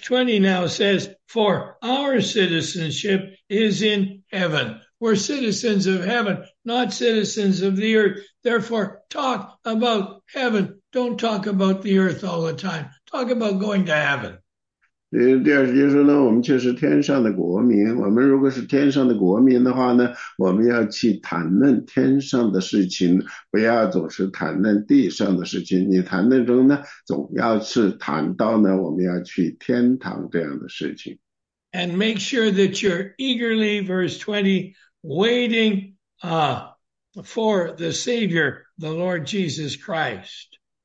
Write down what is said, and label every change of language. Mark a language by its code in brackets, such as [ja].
[en] 20 now says, for our citizenship is in heaven. We're citizens of heaven, not citizens of the earth. Therefore, talk about heaven. Don't talk about the earth all the time. Talk about going to heaven. [zh] 第二句说呢，我们确实天上的国民。我们如果是天上的国民的话呢，我们要去谈论天上的事情，不要总是谈论地上的事情。你谈论中呢，总要是谈到呢，我们要去天堂这样的事情。 [en] And make sure that you're eagerly, verse 20, waiting for the Savior, the Lord Jesus Christ.